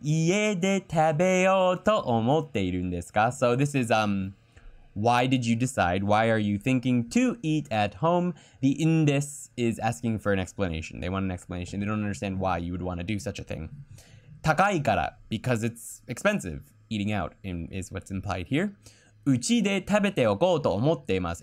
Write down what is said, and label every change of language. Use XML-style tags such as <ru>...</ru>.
<ja>家で食べようと思っているんですか?</ja> <en>So this is, why did you decide? Why are you thinking to eat at home? The in this is asking for an explanation. They want an explanation. They don't understand why you would want to do such a thing.</en> <ja>高いから,</ja> <en>because it's expensive. Eating out is what's implied here.</en> <ja>うちで食べておこうと思っています.</ja>